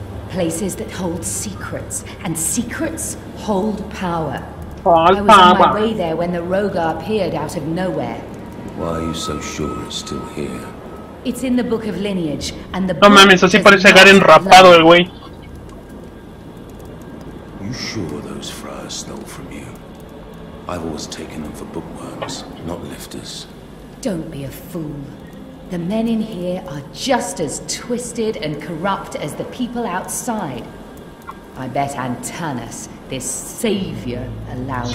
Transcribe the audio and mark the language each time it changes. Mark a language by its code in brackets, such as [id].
[en] Places that hold secrets, and secrets hold power. It's in the book of lineage, and the [es] book. No mames, así parece Garen rapado el güey. [en] You sure those friars stole from you? I've always taken them for bookworms, not lifters. Don't be a fool. The men in here are just as twisted and corrupt as the people outside. I bet Antanas, this savior, allows